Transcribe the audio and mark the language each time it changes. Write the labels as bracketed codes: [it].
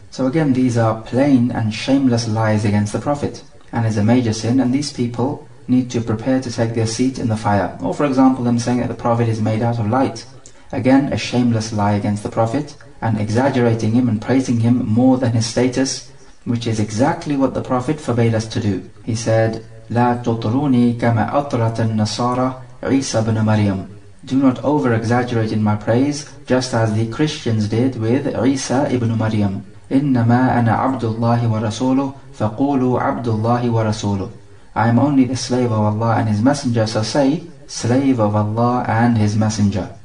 [en] So again, these are plain and shameless lies against the Prophet, and is a major sin, and these people need to prepare to take their seat in the fire. Or for example, them saying that the Prophet is made out of light. Again, a shameless lie against the Prophet, and exaggerating him and praising him more than his status, which is exactly what the Prophet forbade us to do. He said, [ar] لَا تُطْرُونِي كَمَا أَطْرَةَ النَّصَارَى عِيسَى بْنَ مَرْيَمْ. [en] Do not over-exaggerate in my praise, just as the Christians did with Isa ibn Maryam. [ar] إِنَّمَا أَنَا عَبْدُ اللَّهِ وَرَسُولُهُ فَقُولُوا عَبْدُ اللَّهِ وَرَسُولُهُ. [en] I am only the slave of Allah and His Messenger, so say, slave of Allah and His Messenger.